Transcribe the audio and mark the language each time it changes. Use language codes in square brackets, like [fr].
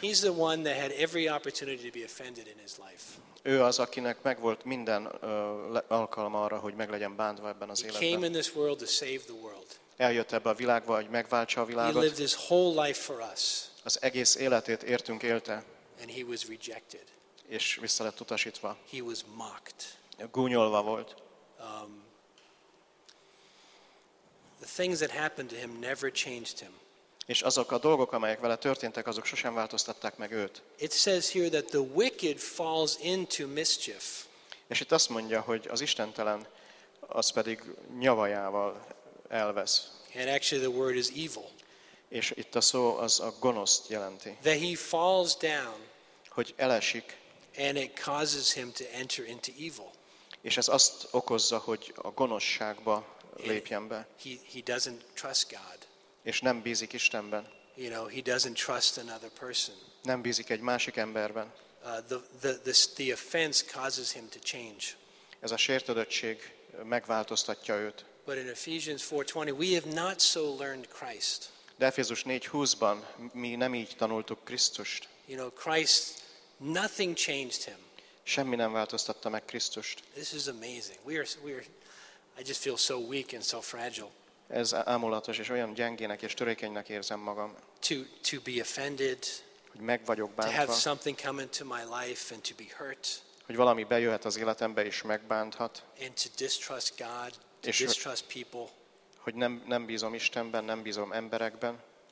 [en] He's the one that had every opportunity to be offended in his life. [hu] Ő az, akinek megvolt minden alkalma arra, hogy meg legyen bántva ebben az életben. [en] He came in this world to save the world. [hu] Eljött ebbe a világba, hogy megváltsa a világot. [en] He lived his whole life for us. [hu] Az egész életét értünk élte. [en] And he was rejected. [hu] És vissza lett utasítva. [en] He was mocked. [hu] Gúnyolva volt. [en] The things that happened to him never changed him. [hu] És azok a dolgok, amelyek vele történtek, azok sosem változtatták meg őt. [en] It says here that the wicked falls into mischief. [hu] És itt azt mondja, hogy az istentelen, az pedig nyavajával elvesz. [en] And actually the word is evil. [hu] És itt a szó az a gonoszt jelenti. [en] That he falls down. [hu] Hogy elesik. [en] And it causes him to enter into evil. [hu] És ez azt okozza, hogy a gonoszságba lépjen be. [en] He doesn't trust God. [hu] És nem bízik Istenben. [en] You know, he doesn't trust another person. [hu] Nem bízik egy másik emberben. [en] The offense causes him to change. [hu] Ez a sértődöttség megváltoztatja őt. [en] But in Ephesians 4:20, we have not so learned Christ. [hu] De Efézus 4:20-ban mi nem így tanultuk Krisztust. [en] You know, Christ, nothing changed him. [hu] Semmi nem változtatta meg Krisztust. [en] This is amazing. We are. I just feel so weak and so fragile. [hu] Ez ámulatos, és olyan gyengének és törékenynek érzem magam. [en] To be offended. [hu] Hogy meg vagyok bántva. [en] To have something come into my life and to be hurt. [hu] Hogy valami bejöhet az életembe és megbánthat. [en] And to distrust God, to distrust people. [hu] Hogy nem bízom Istenben, nem bízom emberekben.